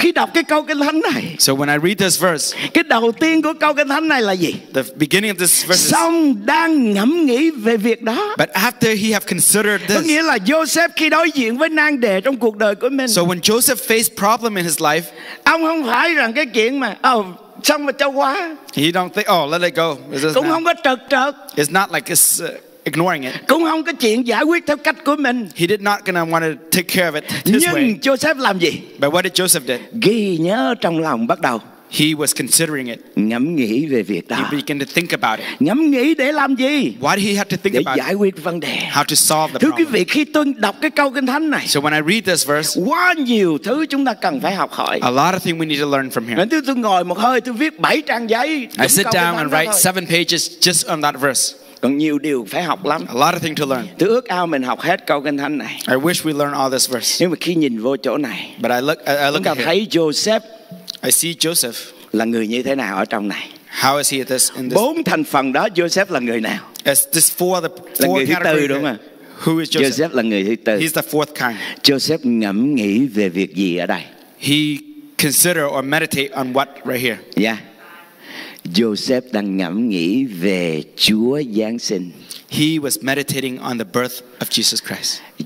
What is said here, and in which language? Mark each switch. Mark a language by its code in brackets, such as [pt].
[vi] Khi đọc cái câu kinh thánh này. [en] So when I read this verse. [vi] Cái đầu tiên của câu kinh thánh này là gì? [en] The beginning of this verse. [vi] Xong đang ngẫm nghĩ về việc đó. [en] But after he have considered this. [vi] Có nghĩa là Joseph khi đối diện với nan đề trong cuộc đời của mình. [en] So when Joseph faced problem in his life. [vi] Ông không phải rằng cái chuyện mà xong mà cho quá. [en] He don't think, oh, let it go. It's [vi] cũng không có trật trật. [en] It's not like it's ignoring it. [vi] Cũng không có chuyện giải quyết theo cách của mình. [en] He did not gonna want to take care of it this [vi] nhưng [en] way. [vi] Nhưng Joseph làm gì? [en] But what did Joseph do? [vi] Ghi nhớ trong lòng bắt đầu. [en] He was considering it. [vi] Ngẫm nghĩ về việc đó. [en] He began to think about it. [vi] Ngẫm nghĩ để làm gì? [en] Why did he have to think [vi] để Để giải quyết vấn đề. [en] How to solve the [vi] thưa [en] problem. [vi] Thưa quý vị, khi tôi đọc cái câu kinh thánh này. [en] So when I read this verse. [vi] Quá nhiều thứ chúng ta cần phải học hỏi. [en] A lot of things we need to learn from here. [vi] Nên tôi ngồi một hơi tôi viết 7 trang giấy. [en] I sit down and write 7 pages just on that verse. [vi] Còn nhiều điều phải học lắm. [en] A lot of things to learn. [vi] Tôi ước ao mình học hết câu kinh thánh này. [en] I wish we learn all this verse. [vi] Nhưng mà khi nhìn vô chỗ này. [en] But I look [vi] chúng ta thấy Joseph. [en] I see Joseph. [vi] Là người như thế nào ở trong này? [en] How is he at this? [vi] Bốn thành phần đó Joseph là người nào? [en] As this four the four [vi] là người thứ tư đúng không? [en] Who is Joseph? [vi] Joseph là người thứ tư. [en] He's the fourth kind. [vi] Joseph ngẫm nghĩ về việc gì ở đây? [en] He consider or meditate on what right here? Yeah. [vi] Joseph đang ngẫm nghĩ về Chúa Giáng sinh. [en] He was meditating on the birth of Jesus Christ.